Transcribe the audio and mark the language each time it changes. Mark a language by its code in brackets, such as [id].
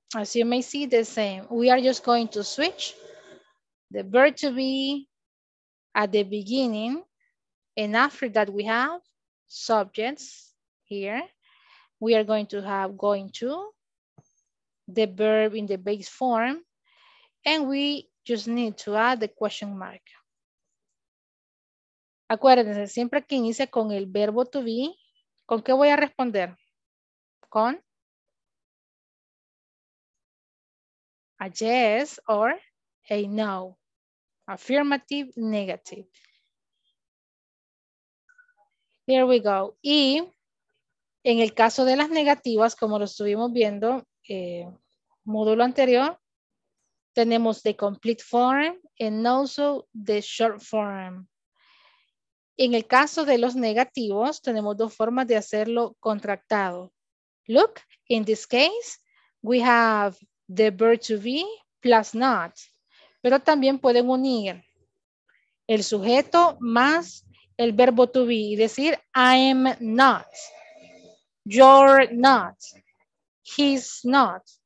[en] As you may see, the same. We are just going to switch the verb to be at the beginning. And after that, we have subjects here. We are going to have going to, the verb in the base form, and we just need to add the question mark. [es] Acuérdense, siempre que inicia con el verbo to be, ¿con qué voy a responder? [en] Con a yes or a no, affirmative, negative. Here we go. [es] Y en el caso de las negativas, como lo estuvimos viendo, módulo anterior, tenemos [en] the complete form and also the short form. [es] En el caso de los negativos, tenemos dos formas de hacerlo contractado. [en] Look, in this case, we have the verb to be plus not. [es] Pero también pueden unir el sujeto más el verbo to be y decir, [en] I'm not, you're not, he's not.